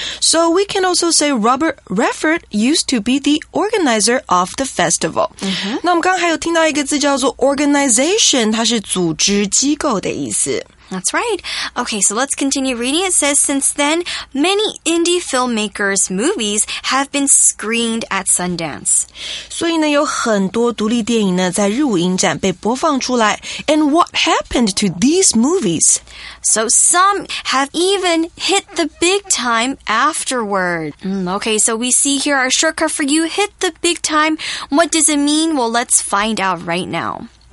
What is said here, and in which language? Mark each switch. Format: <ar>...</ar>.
<en>So, we can also say Robert Redford used to be the organizer of the festival.、 Mm-hmm.</en> <zh>那我们刚还有听到一个字叫做 organization,它是组织机构的意思。</zh> <en>That's right. Okay, so let's continue reading. It says, since then, many indie filmmakers' movies have been screened at Sundance.</en> <zh>所以呢，有很多独立电影呢，在日舞影展被播放出来。</zh> <en>And what happened to these movies? So some have even hit the big time afterward. Okay, so we see here our shortcut for you, hit the big time. What does it mean? Well, let's find out right now.</en>